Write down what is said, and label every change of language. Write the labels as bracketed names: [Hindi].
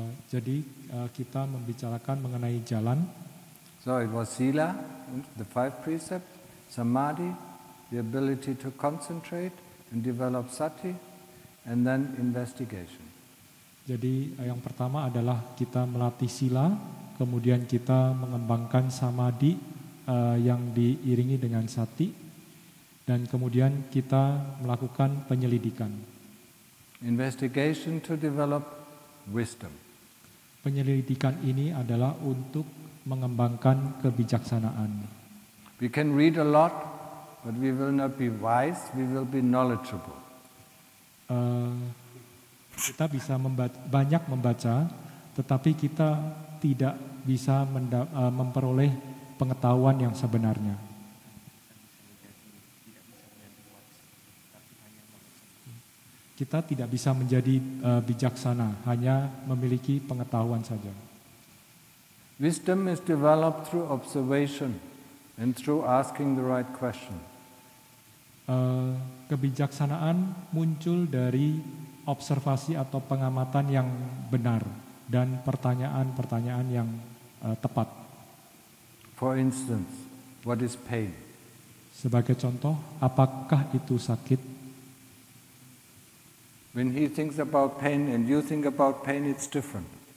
[Indonesian] Kita membicarakan mengenai jalan. [English] So it was sila, the five precepts, samadhi, the ability to concentrate and develop sati, and then investigation. [Indonesian] Jadi yang pertama adalah kita melatih sila, kemudian kita mengembangkan samadhi yang diiringi dengan sati, dan kemudian kita melakukan penyelidikan. [English] Investigation to develop wisdom. [Indonesian] Penyelidikan ini adalah untuk mengembangkan kebijaksanaan. [English] We can read a lot, but we will not be wise, we will be knowledgeable. [Indonesian] Kita bisa banyak membaca, tetapi kita tidak bisa memperoleh pengetahuan yang sebenarnya. Kita tidak bisa menjadi bijaksana, hanya memiliki pengetahuan saja. [English] Wisdom is developed through observation and through asking the right question. [Indonesian] Kebijaksanaan muncul dari observasi atau pengamatan yang benar dan pertanyaan-pertanyaan yang tepat. [English] For instance, what is pain? [Indonesian] Sebagai contoh, apakah itu sakit? [English] When he thinks about pain and you think about pain, it's different.